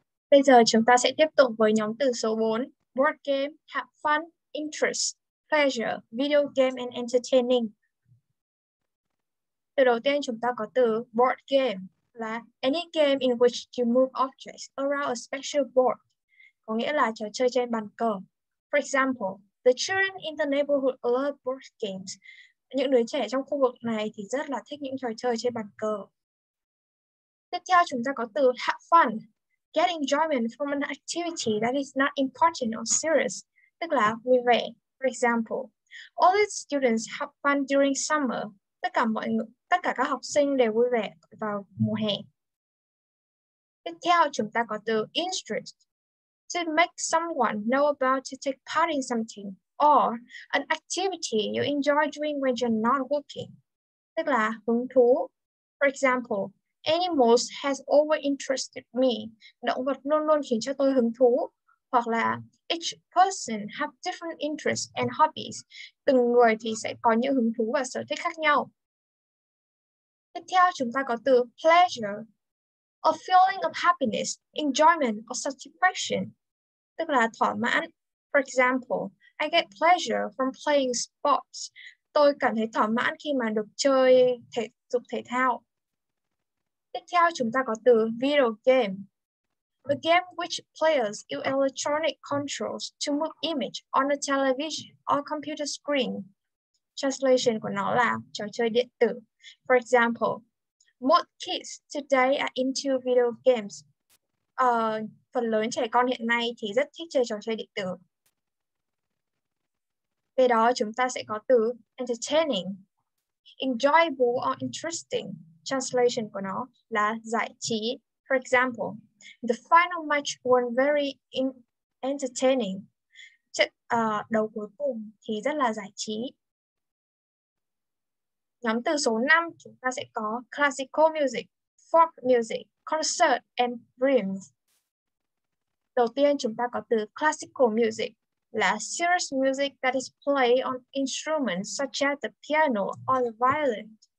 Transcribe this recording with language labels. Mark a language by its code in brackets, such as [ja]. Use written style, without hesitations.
[vi] Bây giờ chúng ta sẽ tiếp tục với nhóm từ số 4, board game, have fun, interest, pleasure, video game and entertaining. Từ đầu tiên chúng ta có từ board game là [en] any game in which you move objects around a special board, [vi] có nghĩa là trò chơi trên bàn cờ. [en] For example, the children in the neighborhood love board games. [vi] Những đứa trẻ trong khu vực này thì rất là thích những trò chơi trên bàn cờ. Tiếp theo chúng ta có từ have fun. [en] Get enjoyment from an activity that is not important or serious. [vi] Tức là vui vẻ. [en] For example, all the students have fun during summer. [vi] Tất cả các học sinh đều vui vẻ vào mùa hè. [en] Tiếp theo chúng ta có từ interest. To make someone know about to take part in something or an activity you enjoy doing when you're not working. [vi] Tức là hứng thú. [en] For example, animals has always interested me. [vi] Động vật luôn luôn khiến cho tôi hứng thú. Hoặc là [en] each person have different interests and hobbies. [vi] Từng người thì sẽ có những hứng thú và sở thích khác nhau. Tiếp theo chúng ta có từ pleasure. [en] A feeling of happiness, enjoyment or satisfaction. [vi] Tức là thỏa mãn. [en] For example, I get pleasure from playing sports. [vi] Tôi cảm thấy thỏa mãn khi mà được chơi thể dục thể thao. Tiếp theo chúng ta có từ video game. [en] A game which players use electronic controls to move image on a television or computer screen. Translation [vi] của nó là trò chơi điện tử. [en] For example, most kids today are into video games. [vi] Phần lớn trẻ con hiện nay thì rất thích chơi trò chơi điện tử. Về đó chúng ta sẽ có từ entertaining. [en] Enjoyable or interesting. [vi] Translation của nó là giải trí. [en] For example, the final match was very entertaining. [vi] Đấu cuối cùng thì rất là giải trí. Nhóm từ số 5 chúng ta sẽ có classical music, folk music, concert and dreams. Đầu tiên chúng ta có từ [en] classical music là serious music that is played on instruments such as the piano or the violin.